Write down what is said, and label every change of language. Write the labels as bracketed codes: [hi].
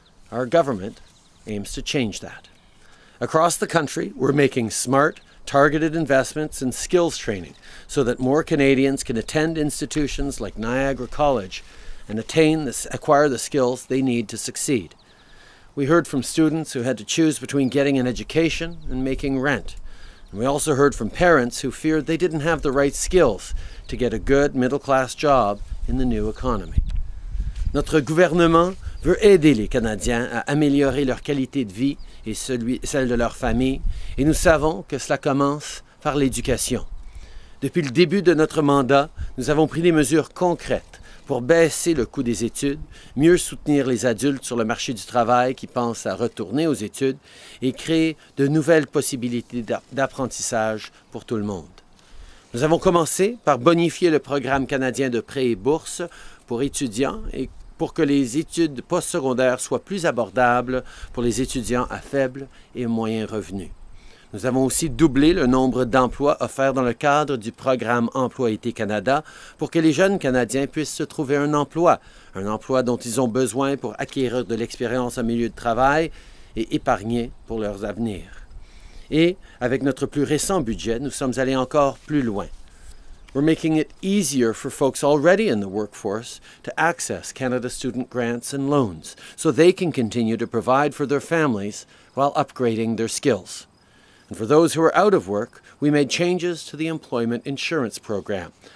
[en] Our government aims to change that. Across the country, we're making smart, targeted investments in skills training so that more Canadians can attend institutions like Niagara College and acquire the skills they need to succeed. We heard from students who had to choose between getting an education and making rent. And we also heard from parents who feared they didn't have the right skills to get a good middle-class job in the new economy. [fr] Notre gouvernement veut aider les Canadiens à améliorer leur qualité de vie et celle de leur famille, et nous savons que cela commence par l'éducation. Depuis le début de notre mandat, nous avons pris des mesures concrètes pour baisser le coût des études, mieux soutenir les adultes sur le marché du travail qui pensent à retourner aux études et créer de nouvelles possibilités d'apprentissage pour tout le monde. Nous avons commencé par bonifier le programme canadien de prêts et bourses pour étudiants et pour que les études postsecondaires soient plus abordables pour les étudiants à faible et moyen revenu. Nous avons aussi doublé le nombre d'emplois offerts dans le cadre du programme Emploi Été Canada pour que les jeunes Canadiens puissent se trouver un emploi dont ils ont besoin pour acquérir de l'expérience en milieu de travail et épargner pour leur avenir. Et avec notre plus récent budget, nous sommes allés encore plus loin. [en] We're making it easier for folks already in the workforce to access Canada student grants and loans so they can continue to provide for their families while upgrading their skills. And for those who are out of work, we made changes to the employment insurance program.